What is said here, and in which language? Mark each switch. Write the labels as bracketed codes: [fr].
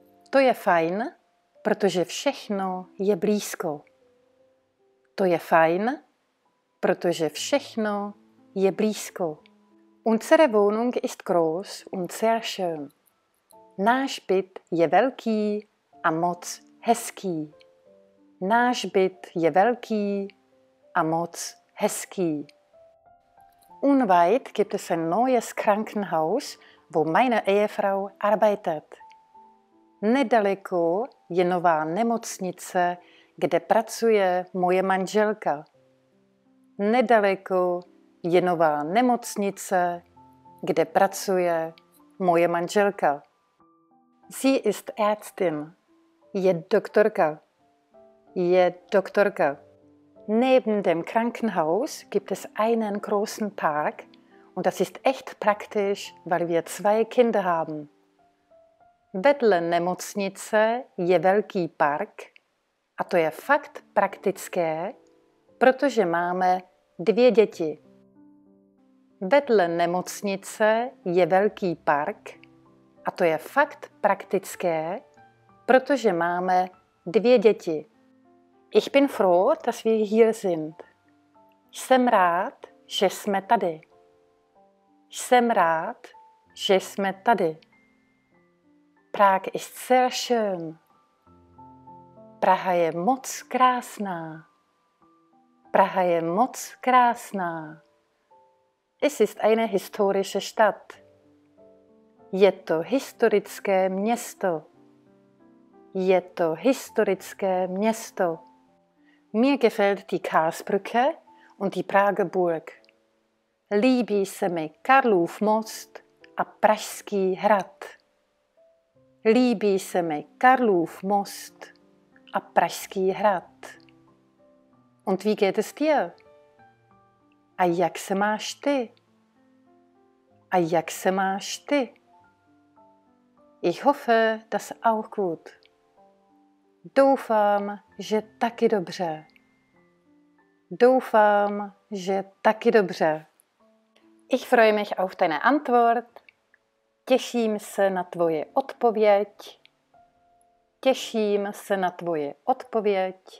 [cs] To je fajn, protože všechno je blízko. To je fajn, protože všechno je blízko. [de] Unsere Wohnung ist groß und sehr schön. [cs] Náš byt je velký a moc hezký. Náš byt je velký a moc hezký. [de] Unweit gibt es ein neues Krankenhaus, wo meine Ehefrau arbeitet. [cs] Nedaleko je nová nemocnice, kde pracuje moje manželka. Nedaleko je nová nemocnice, kde pracuje moje manželka. [de] Sie ist Ärztin. [cs] Je doktorka. Je doktorka. [de] Neben dem Krankenhaus gibt es einen großen Park und das ist echt praktisch, weil wir zwei Kinder haben. [cs] Vedle nemocnice je velký park a to je fakt praktické, protože máme dvě děti. Vedle nemocnice je velký park a to je fakt praktické, protože máme dvě děti. [de] Ich bin froh, dass wir hier sind. [cs] Jsem rád, že jsme tady. Jsem rád, že jsme tady. [de] Prag ist sehr schön. [cs] Praha je moc krásná. Praha je moc krásná. [de] Es ist eine historische Stadt. [cs] Je to historické město. Je to historické město. [de] Mir gefällt die Karlsbrücke und die Prager Burg. [cs] Líbí se mi Karlův most a Pražský hrad. Líbí se mi Karlův most a Pražský hrad. [de] Und wie geht es dir? [cs] A jak se máš ty? A jak se máš ty? [de] Ich hoffe, dass auch gut. [cs] Doufám, že taky dobře. Doufám, že taky dobře. [de] Ich freue mich auf deine Antwort. [cs] Těším se na tvoje odpověď. Těším se na tvoje odpověď.